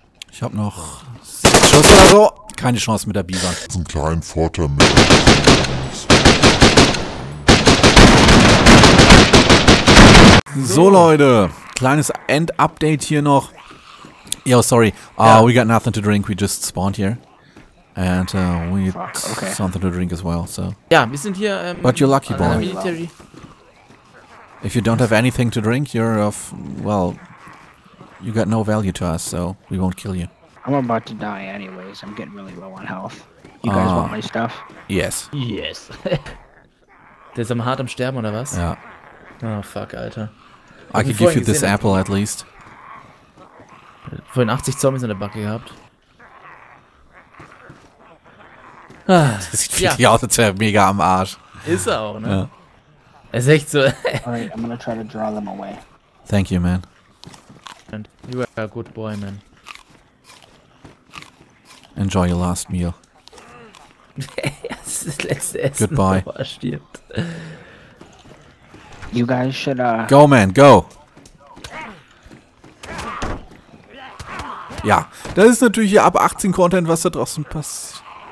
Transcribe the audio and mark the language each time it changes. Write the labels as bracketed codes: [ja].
[de] Ich habe noch 6 Schüsse oder so. Keine Chance mit der Bison. Das ist ein kleiner Vorteil mit der Bison. So, Leute, kleines End-Update hier noch. [en] Yo, sorry, we got nothing to drink, we just spawned here. And we need something to drink as well, so. [de] Ja, wir sind hier, [en] But you're lucky, boy. Military. If you don't have anything to drink, you're of, well, you got no value to us, so we won't kill you. I'm about to die anyways. I'm getting really low on health. You guys want my stuff? Yes. Yes. [de] Der ist hart am Sterben, oder was? Ja. Oh, fuck, Alter. [en] I could give you this apple at least. [de] Vorhin 80 Zombies in der Backe gehabt. Das sieht wirklich aus, als wäre mega am Arsch. Ist er auch, ne? Ja. Er ist echt so. [en] Alright, I'm gonna try to draw them away. Thank you, man. And you are a good boy, man. Enjoy your last meal. [de] Das ist das letzte Essen. [en] Goodbye. [de] Bevor er stirbt. [en] You guys should, Go, man, go! [de] Ja, das ist natürlich hier ab 18 Content, was da draußen passt.